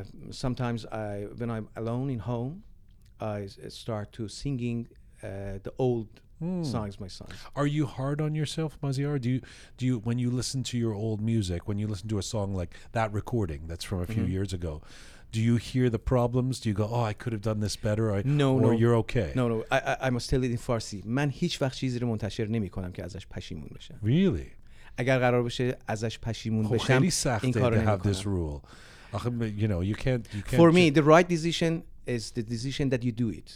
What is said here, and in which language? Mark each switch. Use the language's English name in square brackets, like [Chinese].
[English] Sometimes when I'm alone in home, I start to singing the old songs, my songs. Are you hard on yourself, Mazyar? Do you when you listen to your old music, when you listen to a song like that recording that's from a few years ago, do you hear the problems? Do you go, oh, I could have done this better? No. You're okay? No. I must tell it in Farsi. [Persian] من هیچ وقت چیزی رو منتشر نمی کنم که ازش پشیمون بشه. [English] Really? [Persian] اگر قرار بشه ازش پشیمون بشم، خیلی سخته این کارو [English] to have this rule. You know, you can't for me, the right decision is the decision that you do it.